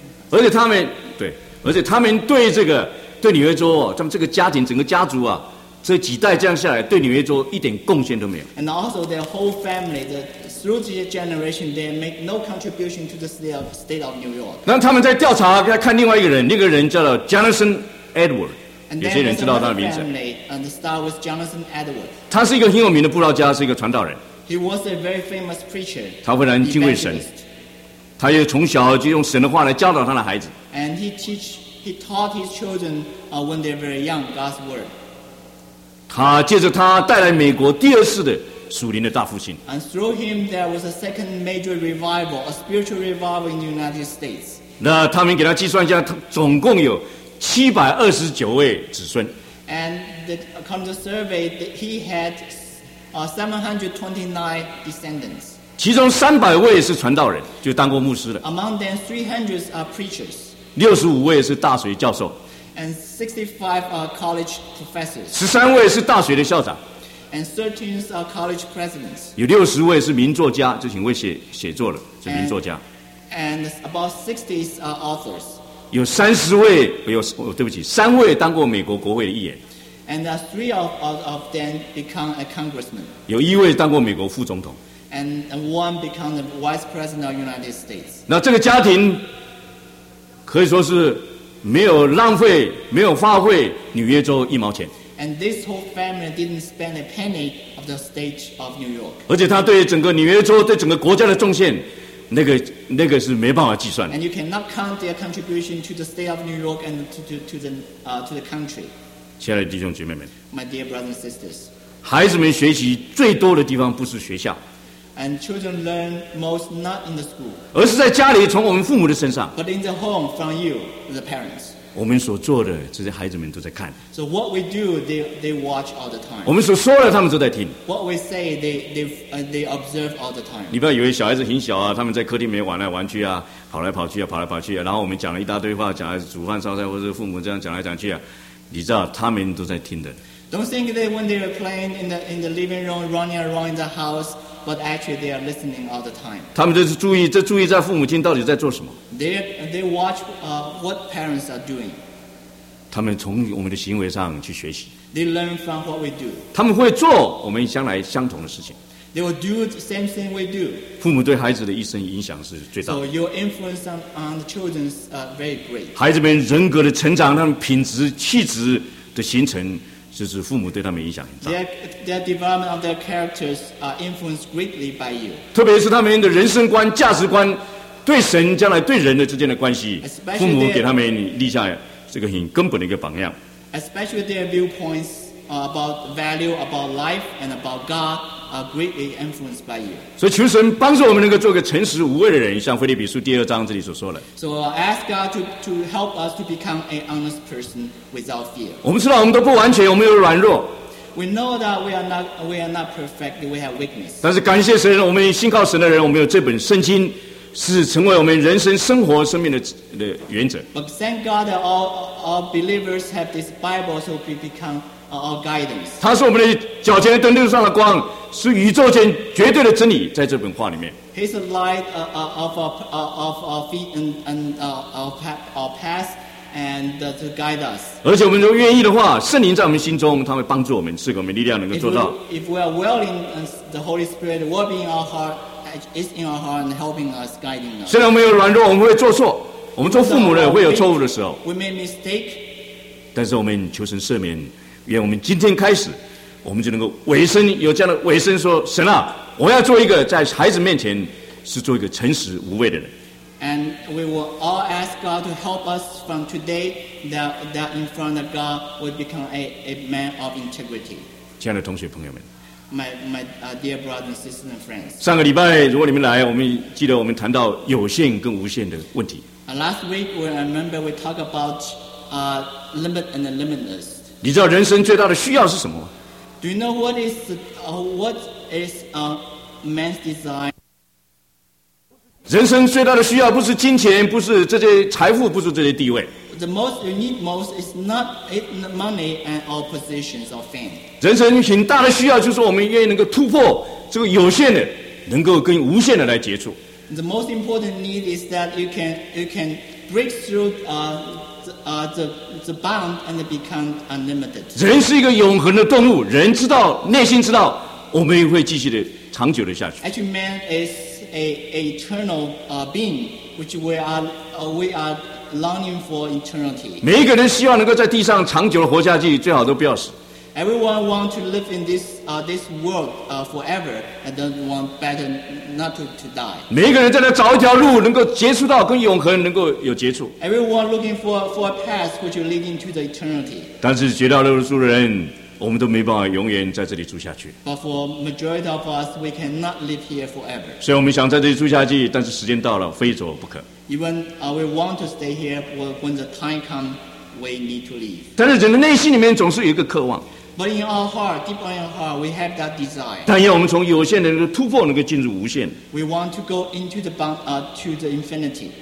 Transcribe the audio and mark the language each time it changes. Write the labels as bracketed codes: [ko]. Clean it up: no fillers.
[zh] 而且他们对，而且他们对这个对纽约州，他们这个家庭整个家族啊，这几代这样下来，对纽约州一点贡献都没有。 [en] And also their whole family, the through the generation, they make no contribution to the state of New York. [zh] 那他们在调查，要看另外一个人，那个人叫做 Jonathan Edward。有些人知道他的名字。 [en] And the star was Jonathan Edwards. [zh] 他是一个很有名的布道家，是一个传道人。 [en] He was a very famous preacher. [zh] 他非常敬畏神。他也从小就用神的话来教导他的孩子。 [en] And he taught his children when they're very young God's word. [zh] 他借着他带来美国第二次的属灵的大复兴。 [en] And through him there was a second major revival, a spiritual revival in the United States. [zh] 那他们给他计算一下，总共有729位子孙。 [en] And according to the survey, he had 729 descendants. [zh] 其中300位是传道人，就当过牧师的。 [en] Among them, 300 are preachers. [zh] 65位是大学教授。 [en] And 65 are college professors. [zh] 13位是大学的校长。 [en] And 13 are college presidents. [zh] 有60位是名作家，就请问写作的，是名作家。 [en] And about 60 are authors. [zh] 有三位当过美国国会的议员。 [en] And three of them become a congressman. [zh] 有一位当过美国副总统。 [en] And one become the vice president of the United States. [zh] 那这个家庭可以说是没有浪费、没有花费纽约州一毛钱。 [en] And this whole family didn't spend a penny of the state of New York. [zh] 而且他对整个纽约州、对整个国家的贡献，那个是没办法计算的。 [en] And you cannot count their contribution to the state of New York and to the country. [zh] 亲爱的弟兄姐妹们 [en] ，My dear brothers and sisters， [zh] 孩子们学习最多的地方不是学校。 [en] And children learn most not in the school， [zh] 而是在家里从我们父母的身上。 [en] But in the home from you, the parents， [zh] 我们所做的，这些孩子们都在看。 [en] So what we do, they watch all the time。 [zh] 我们所说的，他们都在听。 [en] What we say, they observe all the time。 [zh] 你不要以为小孩子很小啊，他们在客厅里面玩来玩去啊，跑来跑去啊，跑来跑去啊，然后我们讲了一大堆话，讲来煮饭烧菜，或者父母这样讲来讲去啊，你知道他们都在听的。 [en] Don't think that when they are playing in the living room, running around the house。 But actually, they are listening all the time. [zh] 他们就是注意，这注意在父母亲到底在做什么。 [en] They watch what parents are doing. [zh] 他们从我们的行为上去学习。 [en] They learn from what we do. [zh] 他们会做我们将来相同的事情。 [en] They will do the same thing we do. [zh] 父母对孩子的一生影响是最大的。 [en] So your influence on the children is very great. [zh] 孩子们人格的成长，他们品质、气质的形成。就是父母对他们影响很大。 [en] Their development of their characters are influenced greatly by you. [zh] 特别是他们的人生观、价值观，对神将来对人的之间的关系，父母给他们立下这个很根本的一个榜样。 [en] Especially their viewpoints about value, about life, and about God are greatly influenced by you. [zh] 所以求神帮助我们能够做个诚实无畏的人，像腓立比书第二章这里所说的。 [en] So ask God to help us to become an honest person without fear. [zh] 我们知道我们都不完全，我们有软弱。 [en] We know that we are not perfect. We have weakness. [zh] 但是感谢神，我们信靠神的人，我们有这本圣经。是成为我们人生、生活、生命 的原则。 [en] But thank God that all believers have this Bible, so we become our guidance. [zh] 它是我们的脚前灯、路上的光，是宇宙间绝对的真理，在这本话里面。 [en] He's the light of our feet and our path and to guide us. [zh] 而且我们如果愿意的话，圣灵在我们心中，他会帮助我们，赐给我们力量，能够做到。 [en] If we are willing, the Holy Spirit will be in our heart. Is in our heart and helping us, guiding us. [zh] 虽然我们有软弱，我们会做错。我们做父母的会有错误的时候。 [en] We make mistake. [zh] 但是我们求神赦免，愿我们今天开始，我们就能够委身，有这样的委身说：神啊，我要做一个在孩子面前是做一个诚实无畏的人。 [en] And we will all ask God to help us from today that in front of God will become a man of integrity. [zh] 亲爱的同学朋友们。 [en] My dear brothers and sisters and friends. [zh] 上个礼拜如果你们来，我们记得我们谈到有限跟无限的问题。 [en] Last week, I remember we talked about limit and the limitless. [zh] 你知道人生最大的需要是什么？ [en] Do you know what is man's desire? [zh] 人生最大的需要不是金钱，不是这些财富，不是这些地位。 [en] The most you need most is not money and all positions or fame. [zh] 人生很大的需要就是我们愿意能够突破这个有限的，能够跟无限的来接触。 [en] The most important need is that you can break through the bound and become unlimited. [zh] 人是一个永恒的动物，人知道内心知道，我们会继续的长久的下去。 [en] Actually, man is an eternal being, which we are. Longing for eternity. [zh] 每一个人希望能够在地上长久的活下去，最好都不要死。 [en] Everyone wants to live in this world forever, and don't want better not to die. [zh] 每一个人在那找一条路，能够接触到跟永恒能够有接触。 [en] Everyone looking for a path which will lead into the eternity. [zh] 但是绝大多数人，我们都没办法永远在这里住下去。 [en] But for majority of us, we cannot live here forever. [zh] 所以我们想在这里住下去，但是时间到了，非走不可。 [en] Even we want to stay here, when the time comes, we need to leave. [zh] 但是人的内心里面总是有一个渴望。 [en] But in our heart, deep in our heart, we have that desire. [zh] 但愿我们从有限的那个突破，能够进入无限。 [en] We want to go into the bound, to the infinity.